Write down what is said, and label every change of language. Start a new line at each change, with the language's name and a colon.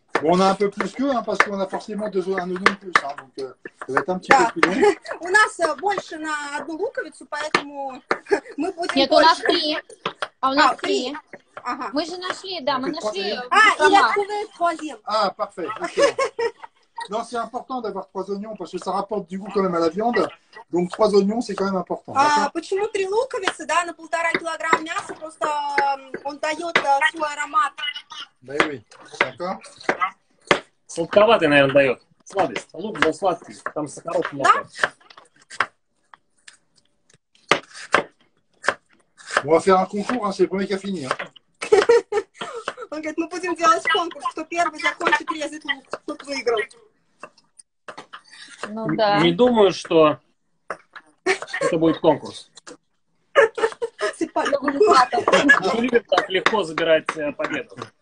French: On a un peu plus que, hein, parce qu'on a forcément deux un oignon de plus, hein, donc ça va être un petit peu plus long.
Russian: У нас больше на одну луковицу, поэтому мы будем. Нет, у нас три. А у нас три. Ага. Мы же нашли, да, мы нашли.
French: А, il a trouvé troisième. Ah, parfait. Okay. Non, c'est important d'avoir trois oignons parce que ça rapporte du goût quand même à la viande. Donc trois oignons, c'est quand même important.
Russian: Почему три луковицы, да, на полтора килограмма мяса просто он дает свой аромат. Да и вы.
French: D'accord.
Russian: Сладковатый, наверное, дает. Сладость. Лук был сладкий. Там сахаров много.
French: Да? On va faire un concours, hein, c'est le premier qui a fini. Hein.
Russian: Он говорит, мы будем делать конкурс, кто первый закончит резать лук, тот выиграл. Ну да. Не думаю, что это будет конкурс. Сипали. Не любят так легко забирать победу.